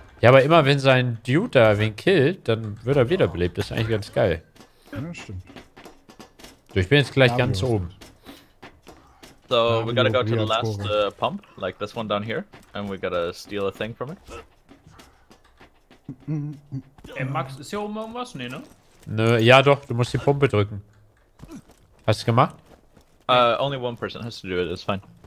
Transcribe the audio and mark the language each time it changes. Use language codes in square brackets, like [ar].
[de] Ja, aber immer wenn sein Dude da wen killt, dann wird er wiederbelebt. Das ist eigentlich ganz geil. Ja, stimmt. So, ich bin jetzt gleich ganz oben. [en] So, we gotta go to the last pump, like this one down here. And we gotta steal a thing from it. [de] Ey, Max, ist hier oben irgendwas? Nee, ne? Nö, ja doch, du musst die Pumpe drücken. Hast du es gemacht? [en] Only one person has to do it, it's fine.